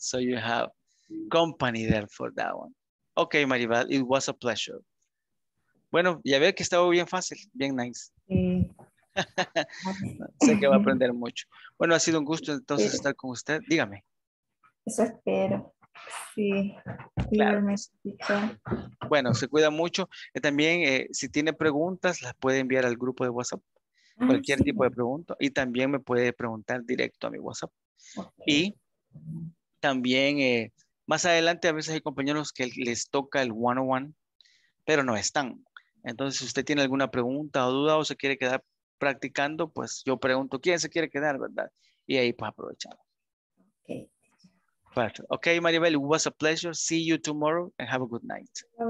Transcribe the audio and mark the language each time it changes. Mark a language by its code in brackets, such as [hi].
[en] So you have company there for that one. Okay, Maribel, it was a pleasure. [es] Bueno, ya veo que estaba bien fácil, bien nice. Sí. Sé que va a aprender mucho. Bueno, ha sido un gusto entonces estar con usted. Dígame. Eso espero. Sí, claro. Bueno, se cuida mucho. También, si tiene preguntas, las puede enviar al grupo de WhatsApp. Cualquier tipo de pregunta. Y también me puede preguntar directo a mi WhatsApp. Okay. Y también, más adelante, a veces hay compañeros que les toca el 101, pero no están. Entonces, si usted tiene alguna pregunta o duda o se quiere quedar practicando, pues yo pregunto quién se quiere quedar, ¿verdad? Y ahí pues aprovechamos. Perfect. [en] Okay, Maribel, it was a pleasure. See you tomorrow and have a good night.